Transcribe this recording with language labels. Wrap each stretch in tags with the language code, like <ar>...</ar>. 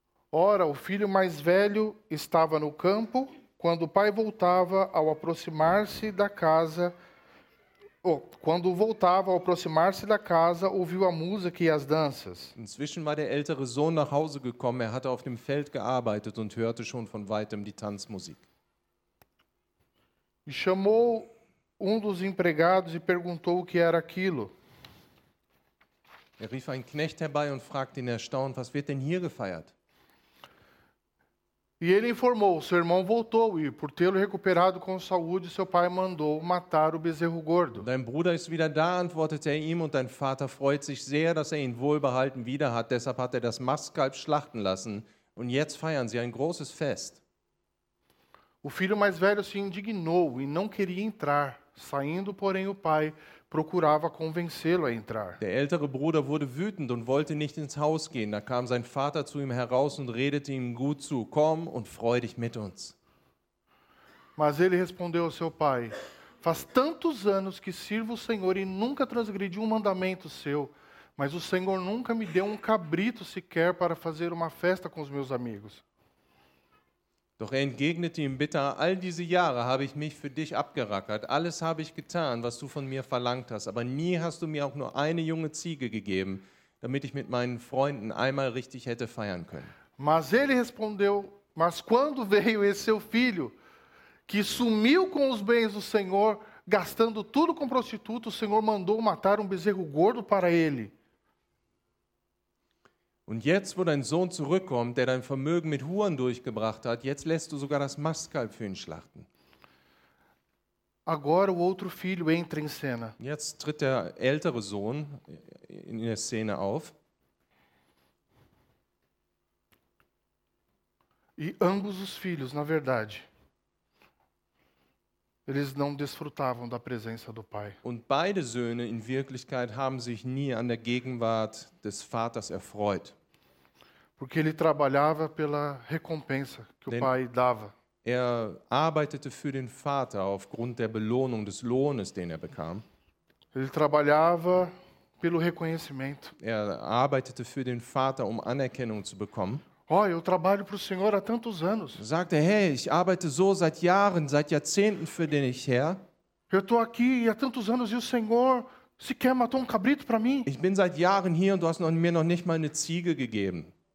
<pt>Ora, o filho mais velho estava no campo, quando o pai voltava ao aproximar-se da casa. Quando voltava ao aproximar-se da casa, ouviu a música e as danças.</pt> <de>Inzwischen war der ältere Sohn nach Hause gekommen. Er hatte auf dem Feld gearbeitet und hörte schon von weitem die Tanzmusik.</de> <pt>E chamou dos empregados e perguntou o que era aquilo.</pt> <de>Er rief einen Knecht herbei und fragte ihn erstaunt: was wird denn hier gefeiert?</de> <pt>E ele informou: seu irmão voltou e, por tê-lo recuperado com saúde, seu pai mandou matar o bezerro gordo.</pt> <de>Dein Bruder ist wieder da, antwortete ihm, und dein Vater freut sich sehr, dass ihn wohlbehalten wieder hat. Deshalb hat das Mastkalb schlachten lassen. Und jetzt feiern sie ein großes Fest.</de> <pt>O filho mais velho se indignou e não queria entrar. Saindo, porém, o pai procurava convencê-lo a entrar.</pt> <de>Der ältere Bruder wurde wütend und wollte nicht ins Haus gehen. Da kam sein Vater zu ihm heraus und redete ihm gut zu: komm und freu dich mit uns.</de> <pt>Mas ele respondeu ao seu pai: faz tantos anos que sirvo o Senhor e nunca transgredi um mandamento seu, mas o Senhor nunca me deu um cabrito sequer para fazer uma festa com os meus amigos.</pt> <de>Doch entgegnete ihm bitter: all diese Jahre habe ich mich für dich abgerackert, alles habe ich getan, was du von mir verlangt hast, aber nie hast du mir auch nur eine junge Ziege gegeben, damit ich mit meinen Freunden einmal richtig hätte feiern können.</de> <pt>Mas ele respondeu: mas quando veio esse seu filho, que sumiu com os bens do Senhor, gastando tudo com prostituta, o Senhor mandou matar bezerro gordo para ele.</pt> <de>Und jetzt, wo dein Sohn zurückkommt, der dein Vermögen mit Huren durchgebracht hat, jetzt lässt du sogar das Mastkalb für ihn schlachten.</de> <pt>Agora o outro filho entra em cena.</pt> <de>Jetzt tritt der ältere Sohn in der Szene auf.</de> <pt>E ambos os filhos, na verdade, eles não desfrutavam da presença do pai.</pt> <de>Und beide Söhne in Wirklichkeit haben sich nie an der Gegenwart des Vaters erfreut.</de> <pt>Porque ele trabalhava pela recompensa que o pai dava.</pt> <de>Er arbeitete für den Vater aufgrund der Belohnung des Lohnes, den bekam.</de> <pt>Ele trabalhava pelo reconhecimento.</pt> <de>Er arbeitete für den Vater, Anerkennung zu bekommen.</de> <pt>Oh, eu trabalho para o Senhor há tantos anos.</pt> <de>Sagte: hey, ich arbeite so seit Jahren, seit Jahrzehnten für den Herr.</de> <pt>Eu tô aqui há tantos anos e o Senhor sequer matou cabrito para mim.</pt> <de>Ich bin seit Jahren hier und du hast mir noch nicht mal eine Ziege gegeben.</de>